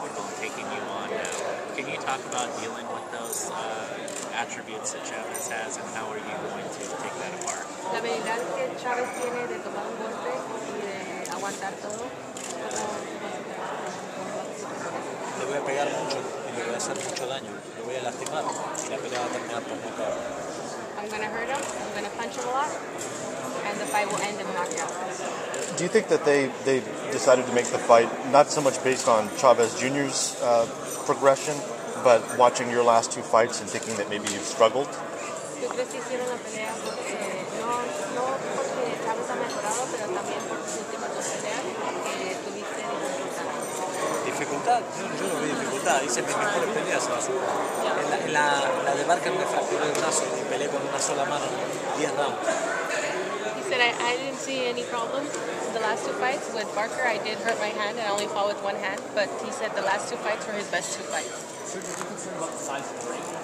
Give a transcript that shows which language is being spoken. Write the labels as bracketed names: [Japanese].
[English] about dealing with those attributes that Chavez has, and how are you going to take that apart? [Spanish] La habilidad que Chavez tiene de tomar un golpe y de aguantar todo. Le voy a pegar mucho y le voy a hacer mucho daño. Lo voy a lastimar y la pelea va a terminar por nocaut. [English] I'm going to hurt him, I'm going to punch him a lot, and the fight will end in a knockout. Do you think that they decided to make the fight not so much based on Chavez Jr.'s progression, but watching your last two fights and thinking that maybe you've struggled? [Spanish] Yo creo que hicieron la pelea porque, no porque Chavez ha mejorado, pero también por sus últimas dos peleas, porque tuviste dificultad. Yo no vi dificultad, hice mis mejores peleas. En la de Barca me fracturé el brazo y peleé con una sola mano 10 rounds. [English] Said I didn't see any problems in the last two fights with Barker. I did hurt my hand and I only fought with one hand, but he said the last two fights were his best two fights. Sir, are you concerned about the size of the ring?